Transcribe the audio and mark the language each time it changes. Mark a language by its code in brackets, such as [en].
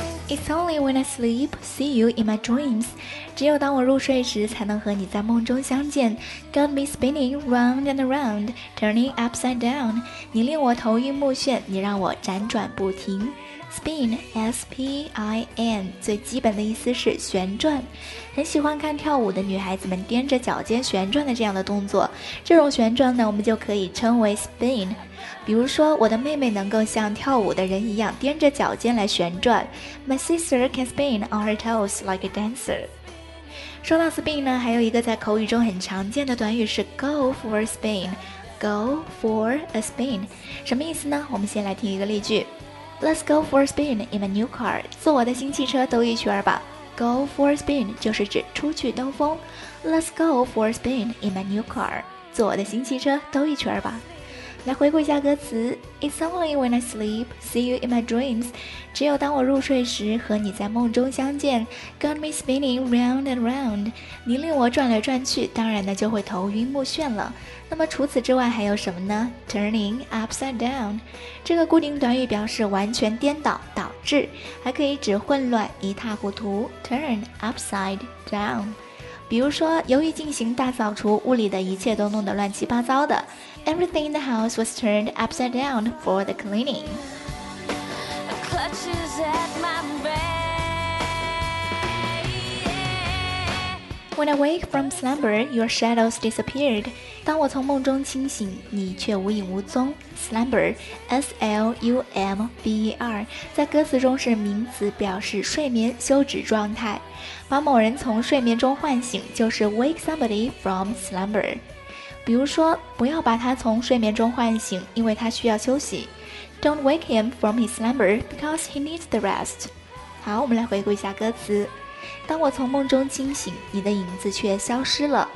[en] It's only when I sleep, see you in my dreams. [zh] 只有当我入睡时才能和你在梦中相见。 [en] Got me spinning round and round, turning upside down. [zh] 你令我头晕目眩，你让我辗转不停。 Spin, S-P-I-N, 最基本的意思是旋转。很喜欢看跳舞的女孩子们踮着脚尖旋转的这样的动作。这种旋转呢，我们就可以称为 spin。比如说我的妹妹能够像跳舞的人一样踮着脚尖来旋转。 [en] My sister can spin on her toes like a dancer。 [zh] 说到 spin 呢，还有一个在口语中很常见的短语是 go for a spin。 Go for a spin 什么意思呢？我们先来听一个例句。 [en] Let's go for a spin in my new car。 [zh] 坐我的新汽车兜一圈吧。 Go for a spin 就是指出去兜风。 [en] Let's go for a spin in my new car。 [zh] 坐我的新汽车兜一圈吧。来回顾一下歌词。 [en] It's only when I sleep, see you in my dreams. [zh] 只有当我入睡时和你在梦中相见。 [en] Got me spinning round and round. [zh] 你令我转来转去，当然呢就会头晕目眩了。那么除此之外还有什么呢？ [en] Turning upside down. [zh] 这个固定短语表示完全颠倒、导致，还可以指混乱、一塌糊涂。 [en] Turn upside down. [zh] 比如说由于进行大扫除，屋里的一切都弄得乱七八糟的。 [en] Everything in the house was turned upside down for the cleaning. Clutches at my bed, yeah. When I wake from slumber, your shadows disappeared. [zh] 当我从梦中清醒，你却无影无踪。 Slumber, S-L-U-M-B-E-R 在歌词中是名词，表示睡眠休止状态。把某人从睡眠中唤醒就是 wake somebody from slumber。比如说不要把他从睡眠中唤醒，因为他需要休息。 [en] Don't wake him from his slumber because he needs the rest。 [zh] 好，我们来回顾一下歌词。当我从梦中惊醒，你的影子却消失了。